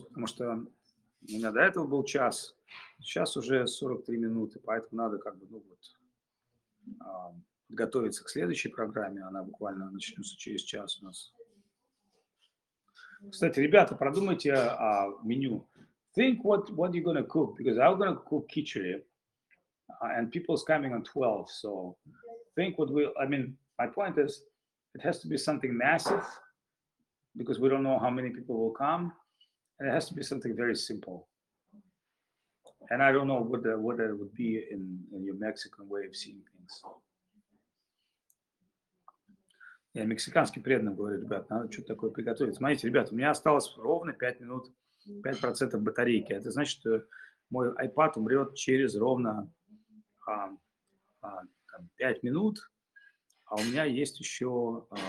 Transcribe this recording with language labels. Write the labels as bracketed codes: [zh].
[ru] Потому что у меня до этого был час, сейчас уже 43 минуты, поэтому надо как бы, ну вот, подготовиться к следующей программе. Она буквально начнется через час у нас. Кстати, ребята, продумайте меню. [en] Think what you're going to cook, because I'm going to cook khichdi, and people's coming on 12, so think what we'll, I mean, my point is, it has to be something massive, because we don't know how many people will come. And it has to be something very simple. And I don't know what that would be in your Mexican way of seeing things. [ru] Я мексиканский преданный, говорю, ребят, надо что-то такое приготовить. Смотрите, ребят, у меня осталось ровно 5 минут, 5% батарейки. Это значит, что мой iPad умрет через ровно 5 минут, а у меня есть еще...